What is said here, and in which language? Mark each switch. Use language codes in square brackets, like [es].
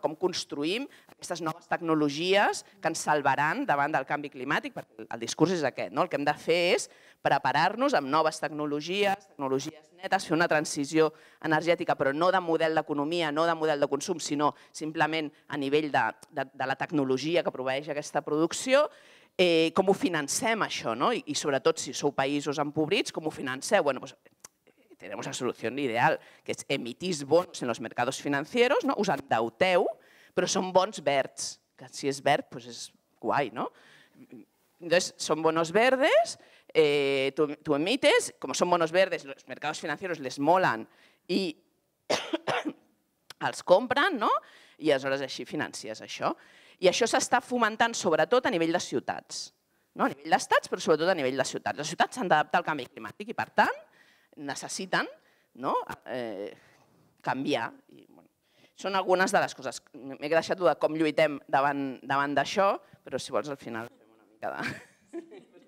[ca] Com construïm aquestes noves tecnologies que ens salvaran davant del canvi climàtic, perquè el discurs és aquest, no? El que hem de fer és preparar-nos amb noves tecnologies netes, fer una transició energètica, però no de model d'economia, no de model de consum, sinó simplement a nivell de la tecnologia que proveeix aquesta producció, com ho financem això, no? I sobretot si sou països empobrits, com ho financeu? [es] Bueno, pues, tenemos la solución ideal, que es [ca] emitís bons [es] en los mercados financieros, no? [ca] Us endeuteu, però són bons verds, que si és verd, pues és guai, no? [es] Entonces, són bonos verdes, tú emites, como son bonos verdes, los mercados financieros les molan y els compran, ¿no? [ca] Y aleshores així financies això. I això s'està fomentant sobretot a nivell de ciutats, no? A nivell d'estats, però sobretot a nivell de ciutats. Les ciutats s'han d'adaptar al canvi climàtic i, per tant, necessiten, no? Canviar. I, bueno, són algunes de les coses. M'he deixat de com lluitem davant d'això, però si vols al final fem una mica de...